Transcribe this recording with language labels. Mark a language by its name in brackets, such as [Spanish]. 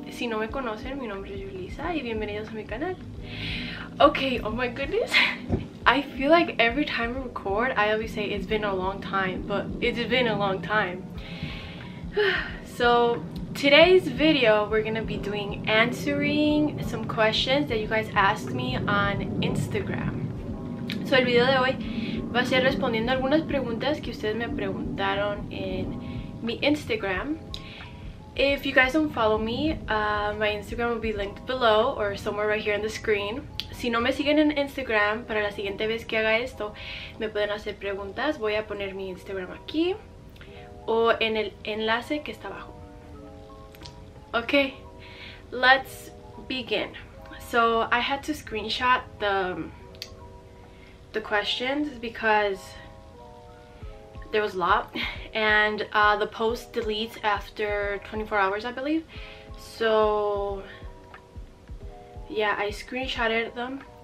[Spanish] Si no me conocen, mi nombre es Julisa y bienvenidos a mi canal. [English] Okay, oh my goodness. I feel like every time I record, I always say it's been a long time, but it's been a long time. So today's video, we're gonna be doing answering some questions that you guys asked me on Instagram. [Spanish] So el video de hoy va a ser respondiendo algunas preguntas que ustedes me preguntaron en mi Instagram. [English] If you guys don't follow me, my Instagram will be linked below or somewhere right here on the screen. [Spanish] Si no me siguen en Instagram, para la siguiente vez que haga esto, me pueden hacer preguntas. Voy a poner mi Instagram aquí o en el enlace que está abajo. [English] Okay, let's begin. So I had to screenshot the questions because there was a lot, and the post deletes after 24 hours, I believe. So yeah, I screenshotted them.